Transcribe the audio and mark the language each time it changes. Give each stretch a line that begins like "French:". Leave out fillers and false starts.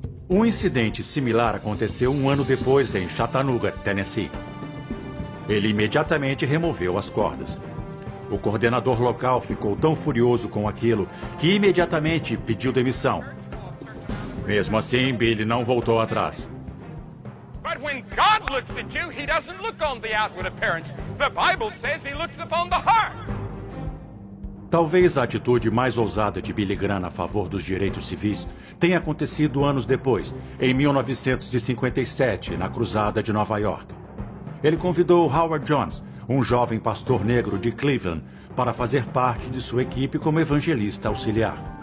Portuguese: Um incidente similar aconteceu 1 ano depois em Chattanooga, Tennessee. Ele imediatamente removeu as cordas. O coordenador local ficou tão furioso com aquilo que imediatamente pediu demissão. Mesmo assim, Billy não voltou atrás.
English: "But when God looks at you, he doesn't look on the outward appearance. The Bible says he looks upon the heart."
Portuguese: Talvez a atitude mais ousada de Billy Graham a favor dos direitos civis tenha acontecido anos depois, em 1957, na Cruzada de Nova York. Ele convidou Howard Jones, um jovem pastor negro de Cleveland, para fazer parte de sua equipe como evangelista auxiliar.